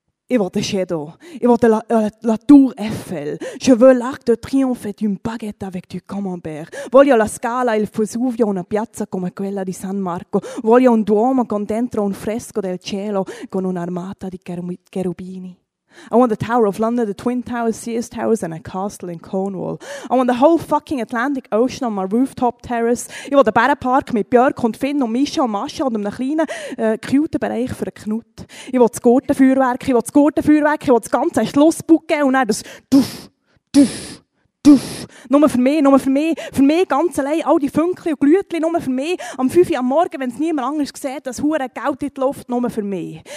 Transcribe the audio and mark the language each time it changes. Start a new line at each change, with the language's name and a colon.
French: Et votre château, et votre la tour Eiffel. Je veux l'arc de triomphe et une baguette avec du camembert.
Italian: Voglio la scala, il Vesuvio, una piazza come quella di San Marco. Voglio un duomo con dentro un fresco del cielo con un'armata di cherubini.
English: I want the Tower of London, the Twin Towers, Sears Towers, and a castle in Cornwall. I want the whole fucking Atlantic Ocean on my rooftop terrace.
German: Ich will den Bärenpark mit Björk und Finn und Mischa und Mascha und einem kleinen, cute Bereich für den Knut. Ich will das Gurtenfeuerwerk, ich will das Gurtenfeuerwerk, ich will das ganze Schlussbuch geben und dann das Duff, Duff, Duff. Nur für mich ganz allein, all die Fünkchen und Glütchen, nur für mich, am 5 Uhr am Morgen, wenn es niemand anders sieht, das hure Geld in die Luft, nur für mich.